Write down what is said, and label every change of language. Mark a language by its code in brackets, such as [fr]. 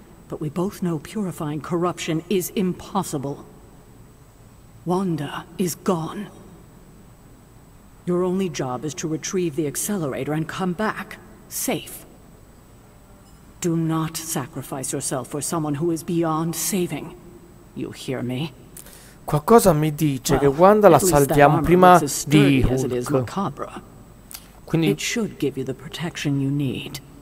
[en] But we both know purifying corruption is impossible. Wanda is gone. Your only job is to retrieve the accelerator and come back, safe. Do not sacrifice yourself for someone who is beyond saving. You hear me? [it] Qualcosa mi dice che Wanda la salviamo prima di Hulk. Quindi [en] it should give you the protection you need.